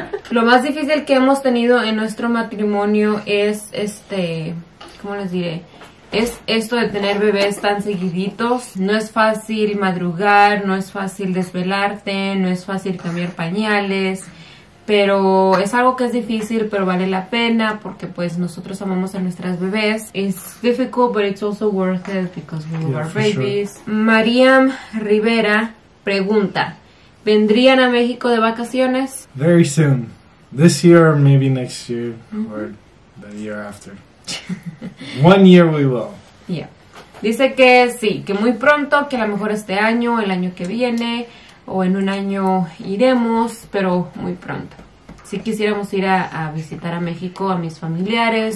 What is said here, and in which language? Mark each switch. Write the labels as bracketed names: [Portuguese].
[Spanish] Lo más difícil que hemos tenido en nuestro matrimonio es ¿cómo les diré? Es esto de tener bebés tan seguiditos. No es fácil madrugar, no es fácil desvelarte, no es fácil cambiar pañales. Pero es algo que es difícil, pero vale la pena porque pues nosotros amamos a nuestras bebés. [English] It's difficult, but it's also worth it because we love our babies. [Spanish] Mariam Rivera pregunta, ¿vendrían a México de vacaciones? [English] Very soon. This year or maybe next year or the year after. One year we will. Yeah. [Spanish] Dice que sí, que muy pronto, que a lo mejor este año, el año que viene o en un año iremos, pero muy pronto. Sí quisiéramos ir a visitar a México, a mis familiares.